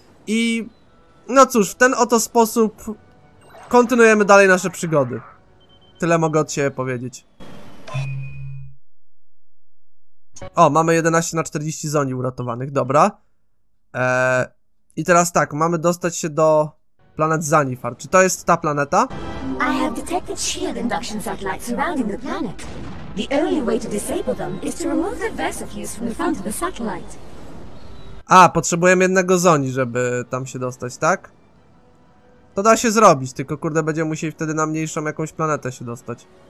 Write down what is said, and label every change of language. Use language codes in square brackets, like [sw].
[pl] I no cóż, w ten oto sposób kontynuujemy dalej nasze przygody. Tyle mogę od siebie powiedzieć. O, mamy 11 na 40 zoni uratowanych, dobra. I teraz tak, mamy dostać się do planet Zanifar. Czy to jest ta planeta? [en] I have detected shield induction satellites surrounding the planet. The only way to disable them is to remove the Versa fuse from the front of the satellite. [pl] A, potrzebujemy jednego zoni, żeby tam się dostać, tak? To da się zrobić, tylko kurde, będziemy musieli wtedy na mniejszą jakąś planetę się dostać.